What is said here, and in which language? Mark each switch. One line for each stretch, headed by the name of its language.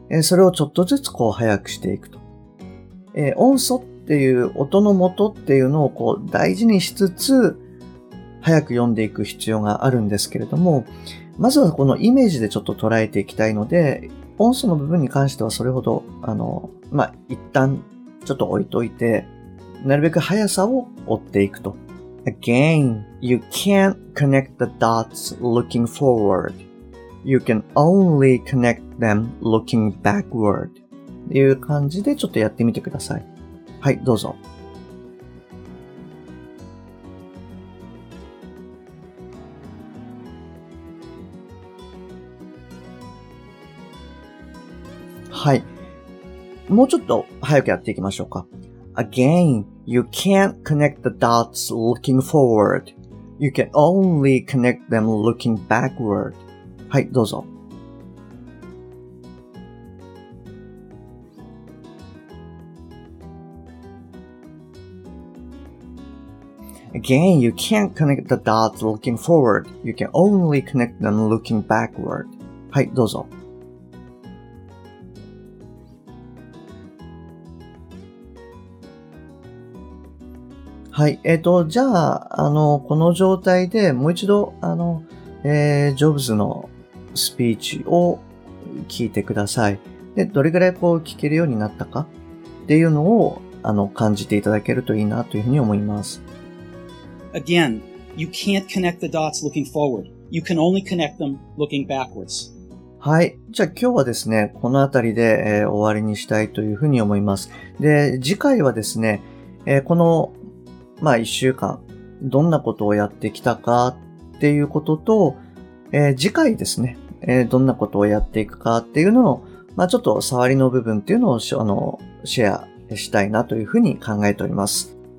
Japanese: それをちょっとずつ早くしていくと。音素っていう音の元っていうのを大事にしつつ早く読んでいく必要があるんですけれども、まずはこのイメージでちょっと捉えていきたいので、音素の部分に関してはそれほど一旦ちょっと置いといて、なるべく速さを追っていくと。
English: Again, you can't connect the dots looking forward. You can only connect them looking backward.
Japanese: いう感じでちょっとやってみてください。はい、どうぞ。はい。もうちょっと早くやっていきましょうか。
English: Again, you can't connect the dots looking forward. You can only connect them looking backward.
Japanese: はい、どうぞ。
English: Again, you can't connect the dots looking forward. You can only connect them looking backward.
Japanese: はい、どうぞ。はい、じゃあ、この状態でもう一度、ジョブズのスピーチを聞いてください。で、どれぐらいこう聞けるようになったかっていうのを、感じていただけるといいなというふうに思います。
English: Again, you can't connect the dots looking forward. You can only connect them looking backwards.
Japanese: はい。じゃあ今日はですね、このあたりで、終わりにしたいというふうに思います。で、次回はですね、この、まあ一週間、どんなことをやってきたかっていうことと、次回ですね、どんなことをやっていくかっていうのを、まあちょっと触りの部分っていうのを、シェアしたいなというふうに考えております。